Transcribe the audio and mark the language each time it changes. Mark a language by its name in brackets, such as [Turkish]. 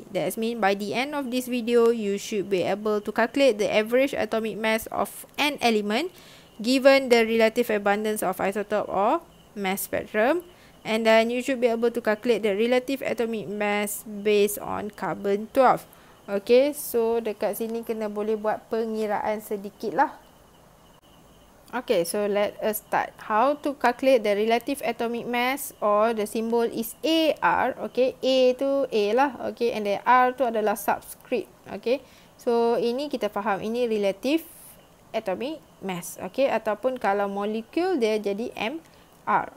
[English] That means by the end of this video, you should be able to calculate the average atomic mass of an element given the relative abundance of isotope or mass spectrum. And then you should be able to calculate the relative atomic mass based on carbon 12. [Malay] Okay, so dekat sini kena boleh buat pengiraan sedikit lah. [English] Okay, so let us start. How to calculate the relative atomic mass, or the symbol is AR. [Malay] Okay, A tu A lah. Okay, and then R tu adalah subscript. Okay, so ini kita faham. Ini relative atomic mass. Okay, ataupun kalau molecule dia jadi MR.